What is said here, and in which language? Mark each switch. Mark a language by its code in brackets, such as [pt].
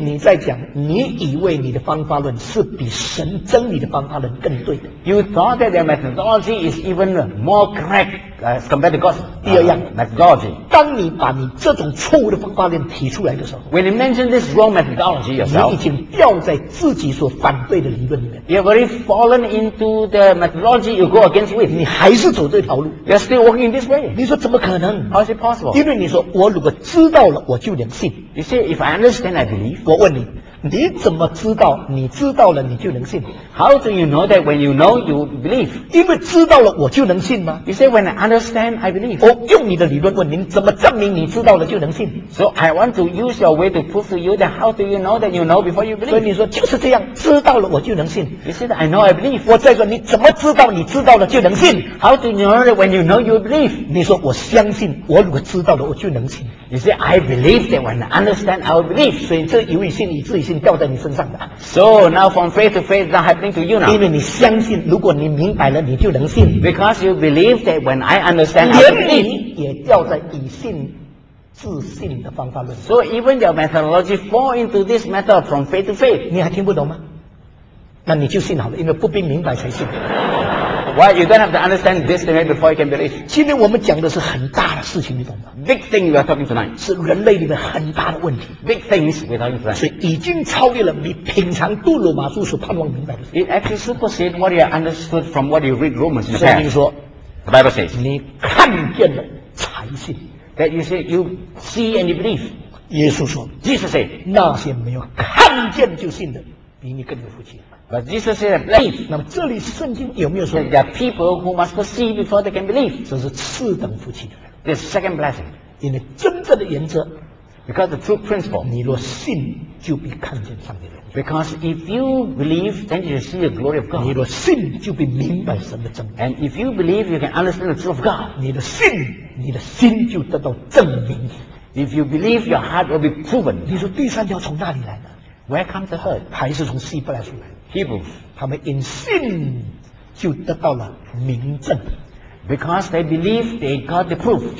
[zh] 你在讲，你以为你的方法论是比神真理的方法论更对的。 [en] You thought that their methodology is even more correct. As compared to God's, [zh] 第二样 [en] methodology. [zh] 当你把你这种错误的方法论提出来的时候 [en] ，When you mention this wrong methodology yourself, [zh] 你已经掉在自己所反对的理论里面。 [en] You have already fallen into the methodology you go against with. [zh] 你还是走这条路。 [en] You're still walking in this way. [zh] 你说怎么可能 [en] ？How is it possible? [zh] 因为你说我如果知道了，我就能信。 [en] You say if I understand, I believe. [zh] 我问你。你怎么知道你知道了你就能信 [en] How do you know that when you know you believe? [zh] 因为知道了我就能信吗 [en] You say when I understand I believe [zh] 我用你的理论问您怎么证明你知道了就能信 [en] So I want to use your way to prove to you that how do you know that you know before you believe? [zh] 所以你说就是这样知道了我就能信 [en] You say that I know I believe [zh] 我再说你怎么知道你知道了就能信 [en] How do you know that when you know you believe? [zh] 你说我相信我如果知道了我就能信 [en] You say I believe that when I understand I will believe [zh] 所以这一位信一致一信掉在你身上的。 [en] So now from faith to faith, that happening to you now. [zh] 因为你相信，如果你明白了，你就能信。 [en] Because you believe that when I understand, I believe. [zh] 连你也掉在以信自信的方法论。 [en] So even your methodology fall into this method from faith to faith. [zh] 你还听不懂吗？那你就信好了，因为不必明白才信。 [en] Why you don't have to understand this thing before you can believe? [zh] 今天我们讲的是很大的事情，你懂吗 [en] ？Big thing we are talking tonight [zh] 是人类里面很大的问题。 [en] Big things we are talking tonight [zh] 是已经超越了你平常杜鲁马书所盼望明白的事。 [en] It actually supersedes what you understood from what you read Romans in the past. [zh] 所以你说 [en] ，The Bible says [zh] 你看见了才信。 [en] That you say you see and you believe. [zh] 耶稣说 [en] ，Jesus said [zh] 那些没有看见就信的，比你更有福气。 [en] But Jesus said, "Believe." [zh] 那么这里圣经有没有说 [en] ，There are people who must see before they can believe. [zh] 这是次等福气的人。 [en] This second blessing. [zh] 因为真正的原则 [en] ，Because the true principle. [zh] 你若信，就必看见上帝的荣耀。 [en] Because if you believe, then you see the glory of God. [zh] 你若信，就必明白神的真理。 [en] And if you believe, you can understand the truth of God. [zh] 你的信，你的心就得到证明。 [en] If you believe, your heart will be proven. [zh] 你说第三条从哪里来的 [en] ？Where comes the heart? [zh] 还是从希伯来书来的？ [en] Hebrews, [zh] 他们因信就得到了明证。 [en] Because they believe they got the proof.